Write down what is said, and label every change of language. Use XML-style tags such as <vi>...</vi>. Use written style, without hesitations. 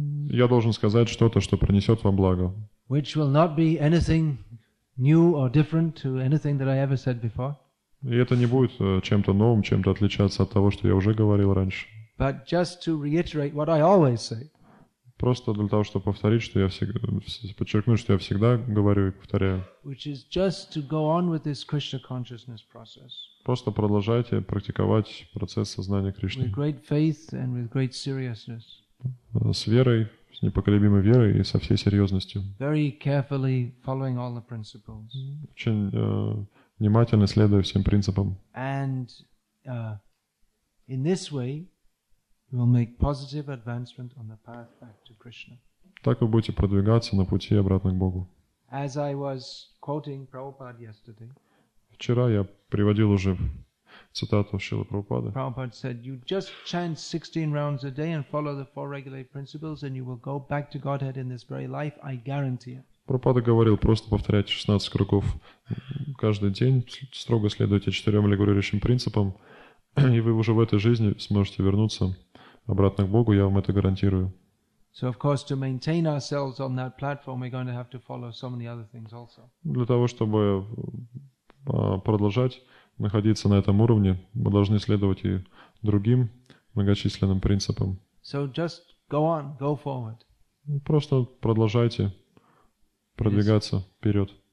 <ru>Я должен сказать что-то, что принесет вам благо.</ru> <en>Which will not be anything new or different to anything that I ever said before.</en> <ru>И это не будет чем-то новым, чем-то отличаться от того, что я уже говорил раньше.</ru> <en>But just to reiterate what I always say.</en> <ru>Просто для того, чтобы повторить, что я всегда, подчеркнуть, что я всегда говорю и повторяю.</ru> <en>Which is just to go on with this Krishna consciousness process.</en> <ru>Просто продолжайте практиковать процесс сознания Кришны.</ru> <en>With great faith and with great seriousness.</en> <ru>С верой, с непоколебимой верой и со всей серьезностью.</ru> <en>Very carefully following all the principles.</en> <ru>Очень внимательно следуя всем принципам.</ru> <en>And in this way, you will make positive advancement on the path back to Krishna.</en> <ru>Так вы будете продвигаться на пути обратно к Богу.</ru> <en>As I was quoting Prabhupada yesterday.</en> <ru>Вчера я приводил уже цитату Шрилы Прабхупады.</ru> <en>Prabhupada said, "You just chant 16 rounds a day and follow the four regulative principles, and you will go back to Godhead in this very life. I guarantee it."</en> <ru>Прабхупада говорил, просто повторяйте 16 кругов каждый день, строго следуйте четырем регулирующим принципам, и вы уже в этой жизни сможете вернуться обратно к Богу, я вам это гарантирую.</ru> <en>So of course, to maintain ourselves on that platform, we're going to have to follow so many other things also.</en> <ru>Для того, чтобы продолжать находиться на этом уровне, мы должны следовать и другим многочисленным принципам.</ru> <en>So just go on, go forward.</en> <ru>Просто продолжайте продвигаться вперед.</ru>